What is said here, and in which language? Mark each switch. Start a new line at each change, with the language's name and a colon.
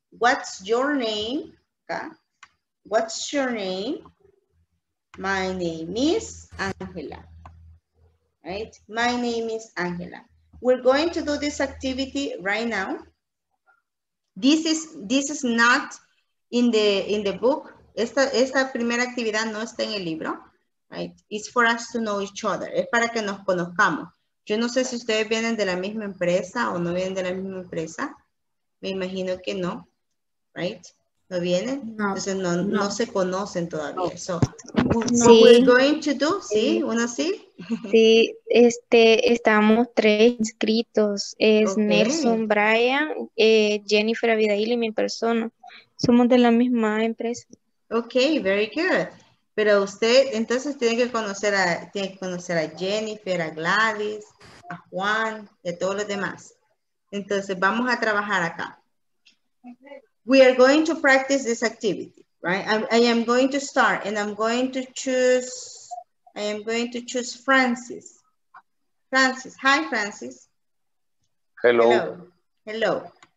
English: What's your name? Acá. What's your name? My name is Angela. Right? My name is Angela. We're going to do this activity right now. This is not in the book.
Spanish: Esta primera actividad no está en el libro, right?
English: It's for us to know each other.
Spanish: Es para que nos conozcamos. Yo no sé si ustedes vienen de la misma empresa o no vienen de la misma empresa. Me imagino que no, right? No vienen. No. Entonces no se conocen todavía. No. So, sí.
English: We're going to do,
Spanish: sí, uno sí. Sí, estamos tres inscritos. Es okay. Nelson, Brian, Jennifer Abigail y mi persona. Somos de la misma empresa.
English: Ok, very good.
Spanish: Pero usted entonces tiene que conocer a Jennifer, a Gladys, a Juan y a todos los demás. Entonces vamos a trabajar acá.
English: We are going to practice this activity, right? I am going to start and I'm going to choose. I am going to choose Francis. Francis, hi Francis. Hello. Hello.